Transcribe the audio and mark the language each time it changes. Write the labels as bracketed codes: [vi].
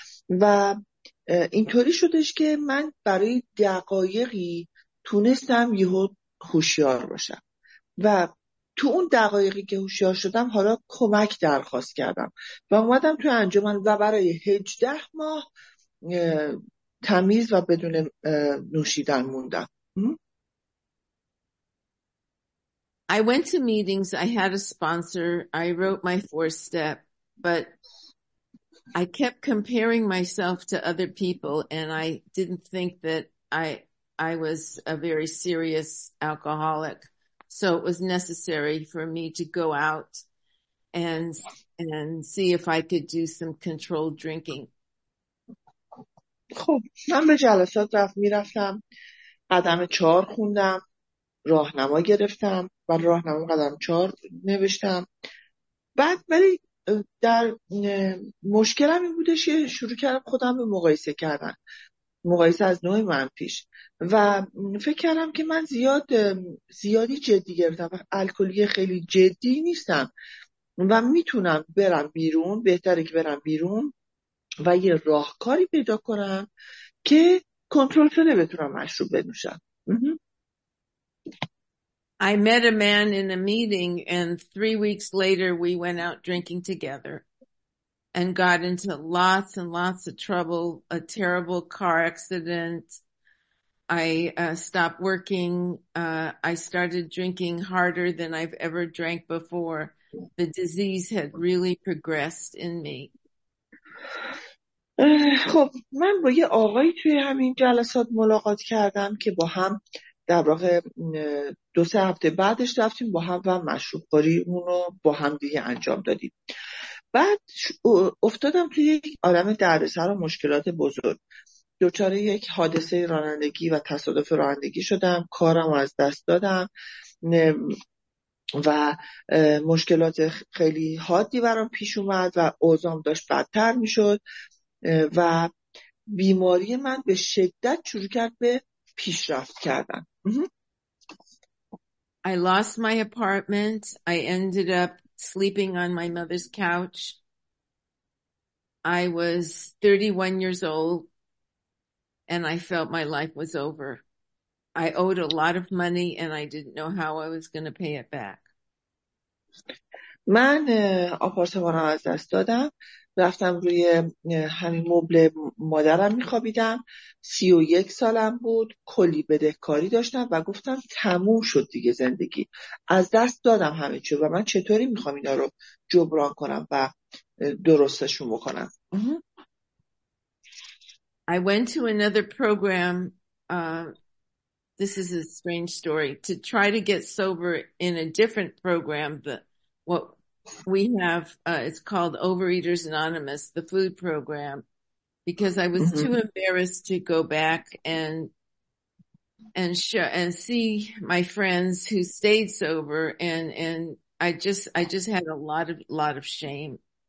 [fa] و اینطوری شدش که من برای دقایقی تونستم یهو هوشیار باشم و تو اون دقایقی که هوشیار شدم حالا کمک درخواست کردم و اومدم تو انجمن و برای 18 ماه تمیز و بدون نوشیدن موندم. [en] I went to meetings, I had a sponsor, I wrote my 4-step, but I kept comparing myself to other people, and I didn't think that I was a very serious alcoholic, so it was necessary for me to go out and see if I could do some controlled drinking. [fa] خب من به جلسات رفت می رفتم، قدم 4 خوندم، راهنما گرفتم و راهنما قدم 4 نوشتم. بعد ولی در مشکلم این بودش که شروع کردم خودم به مقایسه کردن، مقایسه از نوع من پیش، و فکر کردم که من زیادی جدی گرفتم و الکلی خیلی جدی نیستم و میتونم برم بیرون، بهتره که برم بیرون و یه راهکاری پیدا کنم که کنترل شده بتونم مشروب بنوشم. [en] I met a man in a meeting, and 3 weeks later we went out drinking together and got into lots and lots of trouble, a terrible car accident. I stopped working. I started drinking harder than I've ever drank before. The disease had really progressed in me. [fa] خب من با یه آقایی توی همین جلسات ملاقات کردم که با هم در واقع 2-3 هفته بعدش رفتیم با هم و مشروب خوری اونو با هم دیگه انجام دادیم. بعد افتادم توی یک عالم دردسر و مشکلات بزرگ، دچار یک حادثه رانندگی و تصادف رانندگی شدم، کارم از دست دادم و مشکلات خیلی حادی برام پیش اومد و اوضاعم داشت بدتر میشد و بیماری من به شدت شروع کرد به پیشرفت کردن. [en] I lost my apartment. I ended up sleeping on my mother's couch. I was 31 years old and I felt my life was over. I owed a lot of money and I didn't know how I was going to pay it back. [fa] من آپارتمان رو از دست دادم، رفتم روی همین مبل مادرم میخوابیدم، 31 سالم بود، کلی بدهکاری داشتم و گفتم تموم شد دیگه زندگی، از دست دادم همه چی و من چطوری میخوام اینا رو جبران کنم و درستشون بکنم. [en] I went to another program, this is a strange story, to try to get sober in a different program, we have, it's called Overeaters Anonymous, the food program, because I was too embarrassed to go back and see my friends who stayed sober, and I just had a lot of shame.